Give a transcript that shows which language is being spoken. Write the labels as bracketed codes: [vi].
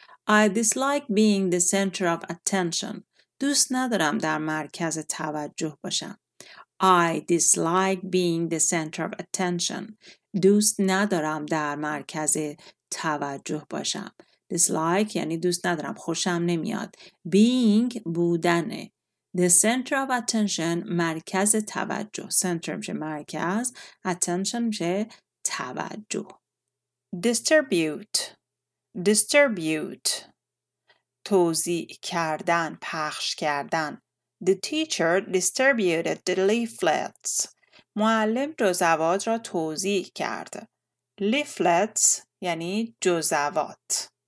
[en] I dislike being the center of attention. [fa] دوست ندارم در مرکز توجه باشم. [en] I dislike being the center of attention. [fa] دوست ندارم در مرکز توجه باشم. Dislike یعنی دوست ندارم، خوشم نمیاد. Being بودنه. [en] The center of attention [fa] مرکز توجه. Center میشه مرکز. Attention میشه توجه. Distribute. توضیح کردن، پخش کردن. [en] The teacher distributed the leaflets. [fa] معلم جزوات را توضیح کرد. Leaflets یعنی جزوات.